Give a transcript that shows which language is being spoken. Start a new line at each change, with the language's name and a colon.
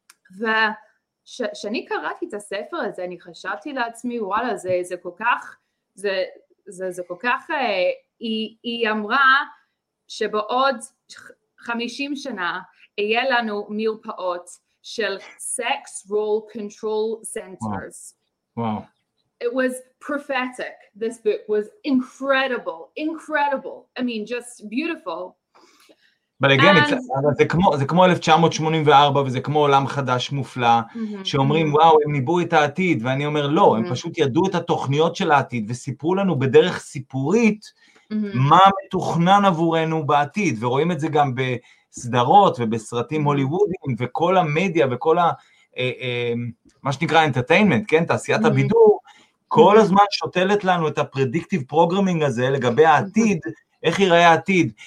Hebrew: וכשאני קראתי את הספר הזה, אני חשבתי לעצמי, וואלה, זה כל כך, זה כל כך, היא אמרה שבעוד 50 שנה יהיה לנו מרפאות של sex role control centers.
English: Wow. It was prophetic. This book was incredible, incredible. I mean, just beautiful.
Hebrew: אבל again, זה כמו 1984, וזה כמו עולם חדש מופלא, שאומרים, וואו, הם ניבאו את העתיד, ואני אומר, לא, הם פשוט ידעו את התוכניות של העתיד, וסיפרו לנו בדרך סיפורית, מה מתוכנן עבורנו בעתיד, ורואים את זה גם בסדרות, ובסרטים הוליוודיים, וכל המדיה, וכל מה שנקרא entertainment, כן, תעשיית הבידור, כל הזמן שותלת לנו את הפרדיקטיב פרוגרמינג הזה, לגבי העתיד, איך ייראה העתיד?